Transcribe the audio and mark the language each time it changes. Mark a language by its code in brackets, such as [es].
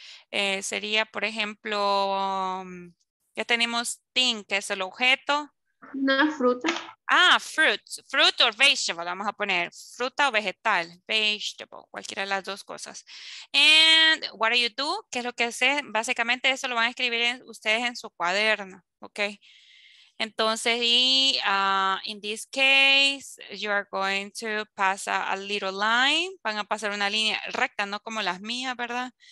[es] Sería, por ejemplo, ya tenemos thing, que es el objeto. Una fruta. Ah, fruit. [en] Fruit or vegetable, [es] vamos a poner. Fruta o vegetal. Vegetable. Cualquiera de las dos cosas. [en] And what do you do? [es] ¿Qué es lo que hace? Básicamente eso lo van a escribir ustedes en su cuaderno. Ok. Entonces, y [en] in this case, you are going to pass a little line. [es] Van a pasar una línea recta, no como las mías, ¿verdad?